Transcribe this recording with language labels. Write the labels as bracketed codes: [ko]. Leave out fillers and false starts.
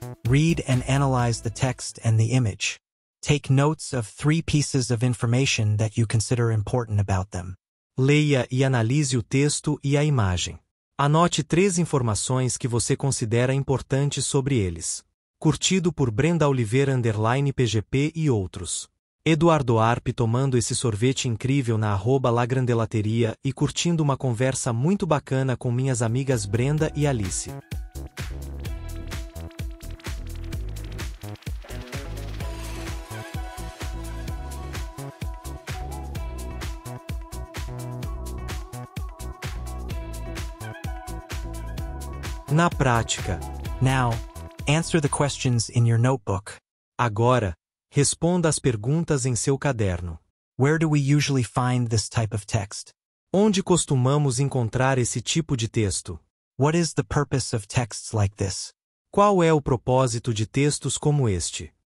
[en] read and analyze the text and the image. Take notes of 3 pieces of information that you consider important about them. [pt] Leia e analise o texto e a imagem. Anote 3 informações que você considera importantes sobre eles. Curtido por Brenda Oliveira _PGP e outros. Eduardo Arpe tomando esse sorvete incrível na @lagrandelateria e curtindo uma conversa muito bacana com minhas amigas Brenda e Alice. Na prática. [en] Now, answer the questions in your notebook. [pt] Agora, responda as perguntas em seu caderno. [en] Where do we usually find this type of text? [pt] Onde costumamos encontrar esse tipo de texto? [en] What is the purpose of texts like this? [pt] Qual é o propósito de textos como este?